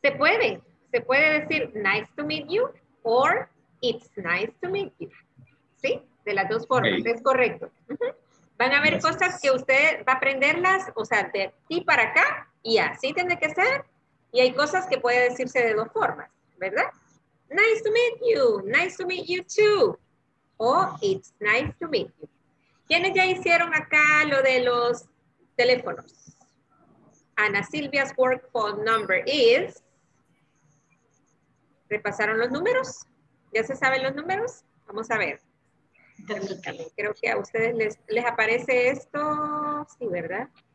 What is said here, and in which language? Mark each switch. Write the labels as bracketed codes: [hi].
[es] Se puede decir nice to meet you or it's nice to meet you. ¿Sí? De las dos formas, okay. Es correcto. Van a ver cosas que usted va a aprenderlas, o sea, de aquí para acá, y así tiene que ser, y hay cosas que puede decirse de dos formas, ¿verdad? [en] Nice to meet you too, o it's nice to meet you. [es] ¿Quiénes ya hicieron acá lo de los teléfonos? [en] Ana Silvia's work phone number is, ¿repasaron los números? [es] ¿Ya se saben los números? Vamos a ver. Permítame, creo que a ustedes les aparece esto, sí, ¿verdad?